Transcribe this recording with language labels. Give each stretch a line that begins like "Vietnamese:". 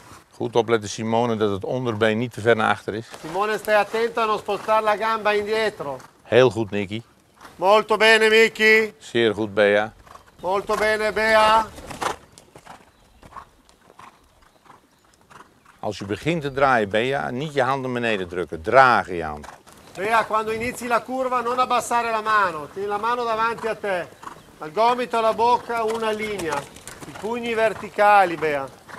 Dutch: Goed opletten, Simone, dat het onderbeen niet te ver naar achter is.
Italian: Simone, stai attento a non spostare la gamba indietro.
Dutch: Heel goed, Nicky.
Italian: Molto bene, Nicky.
Dutch: Zeer goed, Bea.
Italian: Molto bene, Bea.
Dutch: Als je begint te draaien, ben je niet je handen beneden drukken, dragen je hand.
Italian: Bea, quando inizi la curva non abbassare la mano, tieni la mano davanti a te. Al gomito, alla bocca, una linea. I pugni verticali, Bea.